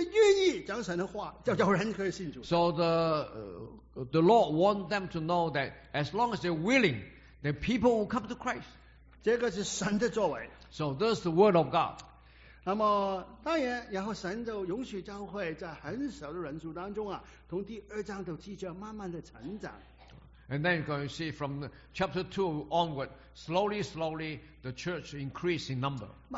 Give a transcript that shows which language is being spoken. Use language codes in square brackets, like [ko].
[en] So the Lord wants them to know that as long as they're willing, the people will come to Christ. So this is the word of God. [zh] 那么当然，然后神就允许教会在很少的人数当中啊，从第二章就记着慢慢的成长。 [en] And then you can see from chapter 2 onward, slowly, slowly, the church increased in number.